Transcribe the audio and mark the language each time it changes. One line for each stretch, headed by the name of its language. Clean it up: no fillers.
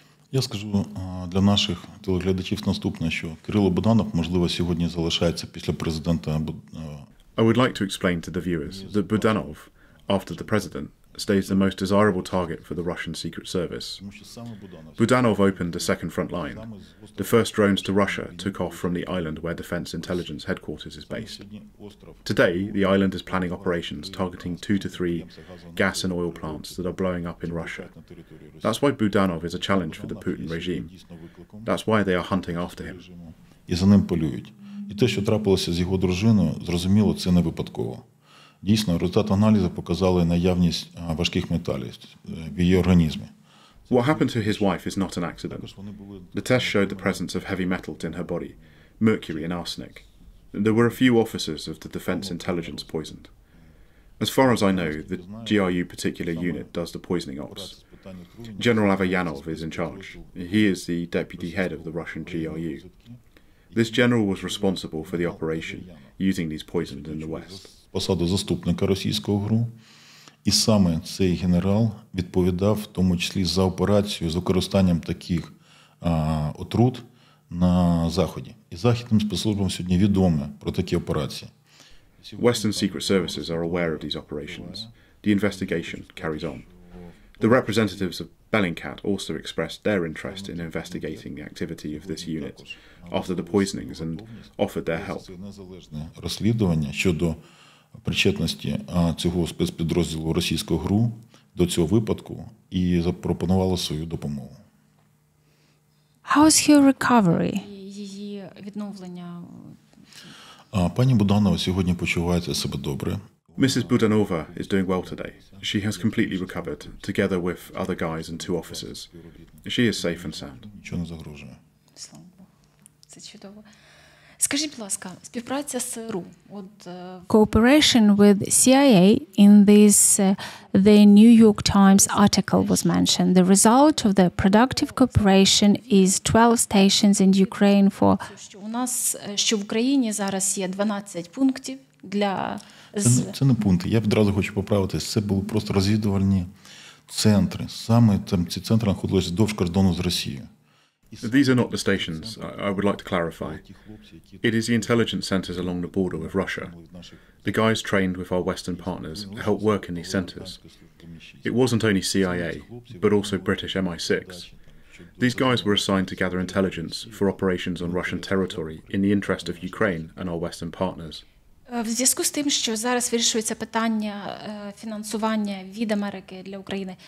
Ukrainian: Я скажу для наших телеглядачів наступне, що Кирило Буданов, можливо, сьогодні залишається після президента.
English: I would like to explain to the viewers that Budanov, after the president, stays the most desirable target for the Russian secret service. Budanov opened the second front line. The first drones to Russia took off from the island where Defense Intelligence Headquarters is based. Today, the island is planning operations targeting 2 to 3 gas and oil plants that are blowing up in Russia. That's why Budanov is a challenge for the Putin regime. That's why they are hunting after him.
Ukrainian: І за ним полюють. І те, що трапилося з його дружиною, зрозуміло, це не випадково. Дійсно, результати аналізу показали наявність важких металів в її організмі.
English: What happened to his wife is not an accident. The test showed the presence of heavy metals in her body, mercury and arsenic. There were a few officers of the Defense Intelligence poisoned. As far as I know, the GRU particular unit does the poisoning ops. General Avayanov is in charge. He is the deputy head of the Russian GRU. This general was responsible for the operation using these poisons in the West.
Ukrainian: Посаду заступника російського ГРУ. І саме цей генерал відповідав, в тому числі, за операцію з використанням таких отрут на Заході. І західним спецслужбам сьогодні відомо про такі операції.
English: Western secret services are aware of these operations. The investigation carries on. The representatives of Bellingcat also expressed their interest in investigating the activity of this unit after the poisonings and offered their help.
Ukrainian: Розслідування щодо причетності цього спецпідрозділу російського ГРУ до цього випадку і запропонувала свою допомогу.
English: How's her recovery?
Ukrainian: Її відновлення. Пані Буданова сьогодні почувається себе добре.
English: Mrs. Budanova is doing well today. She has completely recovered, together with other guys and two officers. She is safe and sound.
Ukrainian: Нічого не загрожує. Це чудово. Скажіть, будь ласка, співпраця з СРУ.
English: Cooperation with CIA in this the New York Times article was mentioned. The result of the productive cooperation is 12 stations in Ukraine for...
Ukrainian: Що у нас, що в Україні зараз є 12 пунктів для... Це не пункти. Я відразу хочу поправитись. Це були просто розвідувальні центри. Саме там ці центри знаходились вздовж кордону з Росією.
English: These are not the stations, I would like to clarify. It is the intelligence centers along the border with Russia. The guys trained with our Western partners help work in these centers. It wasn't only CIA, but also British MI6. These guys were assigned to gather intelligence for operations on Russian territory in the interest of Ukraine and our Western partners.
Ukrainian: В зв'язку з тим, що зараз вирішується питання фінансування від Америки для України.